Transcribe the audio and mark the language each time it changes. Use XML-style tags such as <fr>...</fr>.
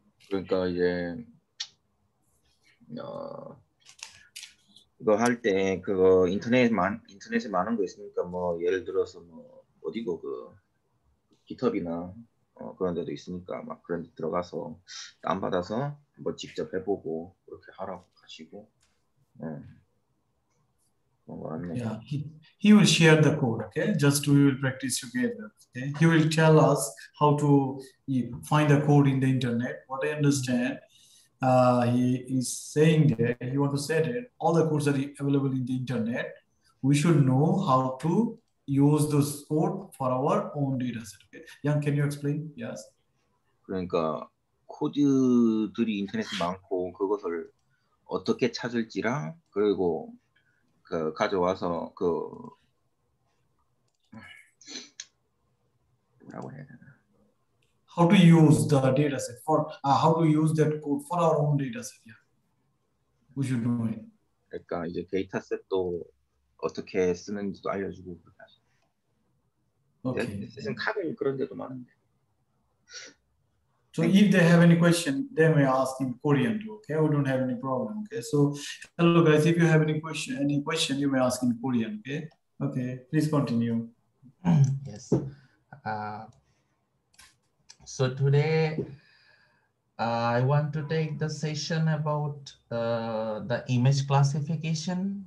<ko>그러니까 이제 그거 할때 그거 인터넷에 많은 거 있으니까 뭐 예를 들어서 뭐 어디고 그 GitHub이나 그런 데도 있으니까 막 그런 데 들어가서 다운 받아서 한번 직접 해보고 그렇게 하라고 하시고 그런 거 같네.</ko> <en>Yeah, he will share the code, okay? Just we will practice together, okay? He will tell us how to find the code in the internet. What I understand, he is saying that he want to say that all the codes are available in the internet. We should know how to use this code for our own data set, okay? Young, can you explain? Yes.</en> <ko>그러니까 코드들이 인터넷에 많고 그것을 어떻게 찾을지랑 그리고 그 가져와서 그 뭐라고 해야 되나?</ko> <en>How to use the data set for how to use that code for our own data set? Yeah, we should know it.</en> <ko>그러니까 이제 데이터셋도 어떻게 쓰는지도 알려주고 그렇게 하죠.</ko> <en>Okay.</en> <ko>사실 카드 그런 데도 많은데.</ko> <en>So if they have any question, they may ask in Korean, okay? We don't have any problem. Okay. So hello guys, if you have any question, you may ask in Korean, okay? Okay, please continue. Yes. So today I want to take the session about the image classification.</en>